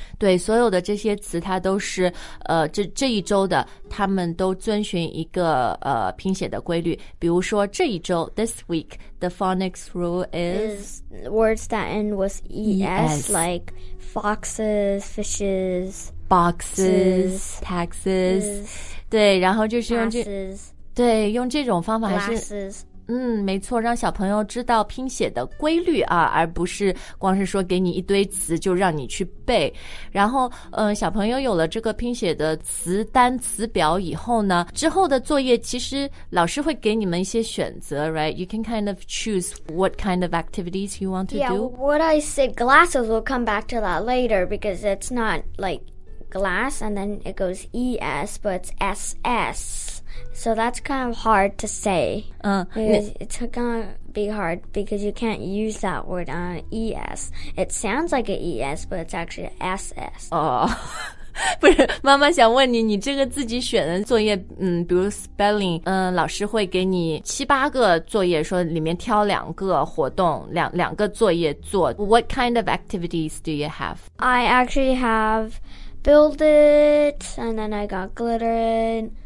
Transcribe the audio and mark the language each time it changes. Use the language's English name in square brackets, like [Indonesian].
[Chinese] 对，所有的这些词它都是这一周的他们都遵循一个拼写的规律。比如说 [English] 这一周 this week, the phonics rule is words that end with ES, like foxes, fishes, boxes, taxes. [Chinese] 对，然后就是用这 [English] passes, [Chinese] 对，用这种方法还是 [English] glasses, [Chinese] 没错，让小朋友知道拼写的规律啊，而不是光是说给你一堆词就让你去背。然后小朋友有了这个拼写的词单词表以后呢，之后的作业其实老师会给你们一些选择， right? [English] You can kind of choose what kind of activities you want to yeah, do. Yeah, what I said, glasses, we'll come back to that later because it's not like glass and then it goes ES, but it's SS. So that's kind of hard to say. It's gonna be hard because you can't use that word on ES. It sounds like an ES, but it's actually SS. [Chinese] Oh, 不是，妈妈想问你，你这个自己选的作业，比如 spelling， 老师会给你七八个作业，说里面挑两个活动，两个作业做。 [English] What kind of activities do you have? I actually have build it, and then I got glitter it.